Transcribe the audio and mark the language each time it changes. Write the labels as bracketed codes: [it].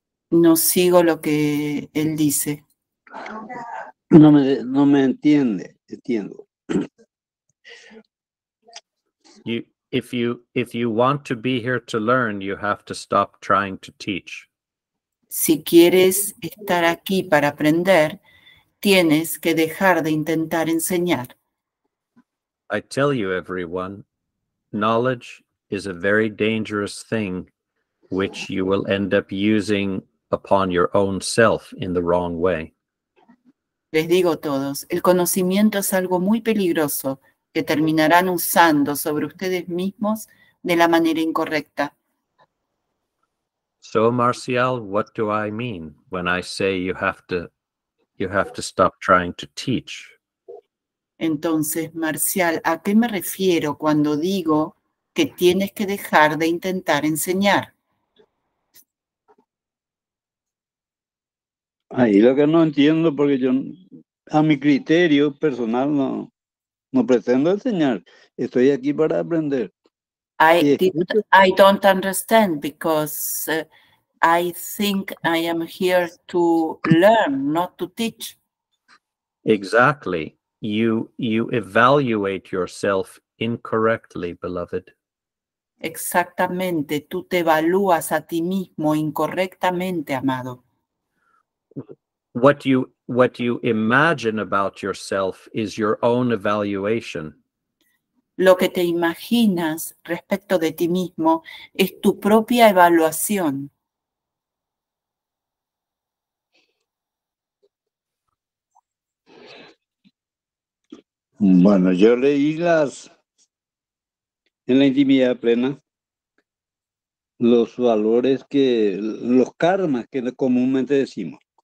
[es] No sigo lo que él dice. No me entiende, entiendo. [en] If you want to be here to learn, you have to stop trying to teach. [es] Si quieres estar aquí para aprender, tienes que dejar de intentar enseñar. [en] I tell you, everyone, knowledge is a very dangerous thing which you will end up using upon your own self in the wrong way. [es] Les digo a todos, el conocimiento es algo muy peligroso que terminarán usando sobre ustedes mismos de la manera incorrecta. [en] So, Marcial, what do I mean when I say you have to stop trying to teach? [es] Entonces, Marcial, ¿a qué me refiero cuando digo que tienes que dejar de intentar enseñar? Ahí lo que no entiendo, porque yo, a mi criterio personal, no pretendo enseñar. Estoy aquí para aprender. [en] I don't understand because I think I am here to learn, not to teach. Exactly. You evaluate yourself incorrectly, beloved. [es] Exactamente. Tú te evalúas a ti mismo incorrectamente, amado. [en] What you imagine about yourself is your own evaluation. [es] Lo que te imaginas respecto de ti mismo es tu propia evaluación. Bueno, yo leí las en la intimidad plena los valores que los karmas que comúnmente decimos.